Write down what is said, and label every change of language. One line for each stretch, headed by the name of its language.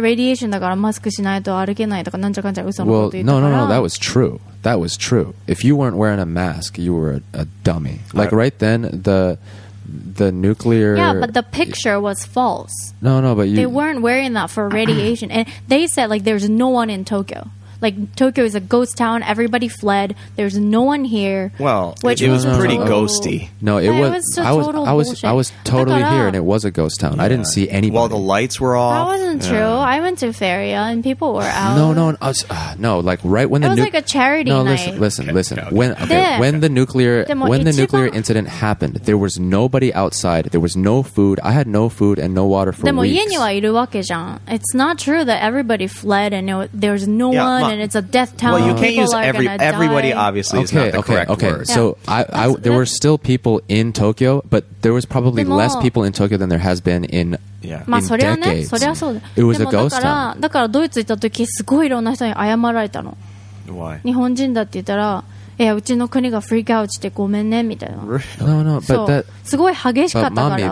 Japanese: だからそれを押すために、その緑の党がもう思いっきり、メディアに出して、だからもう東京は死の街ですみたいな。だからその花粉症でマスクしてるの写真を使って、もうみんなレディエーションだからマスクしないと歩けないとか、なんちゃかんちゃ嘘のこと言ってたから。
English: Well, no, that was true. That was true. If you weren't wearing a mask, you were a dummy. Like right then, the nuclear... Yeah, but the picture was false. No, but you... They weren't wearing that for radiation. And they said, like, there's no one in Tokyo. Like, Tokyo is a ghost town. Everybody fled. There's no one here. Well, which it was pretty ghosty. No, it was totally here, and it was a ghost town. Yeah. I didn't see anybody. While the lights were off. That wasn't true. I went to Feria, and people were out. No, like, right when it was like a charity night. No, listen. When the nuclear incident happened, there was nobody outside. There was no food. I had no food and no water for weeks. It's not true that everybody fled, and there was no one. And it's a death town. Well, you can't use everybody. Obviously, is not the correct word. Okay. So, there were still people in Tokyo, but there was probably less people in Tokyo than there has been in decades. It was a ghost town.
Japanese: だからドイツ行った時、すごいいろんな人に謝られたの。
English: Why?
Japanese: 日本人だって言ったら。いやうちの国がフリークアウトしてごめんねみたいな。
English: No, no, but that,
Japanese: すごい激しかったから。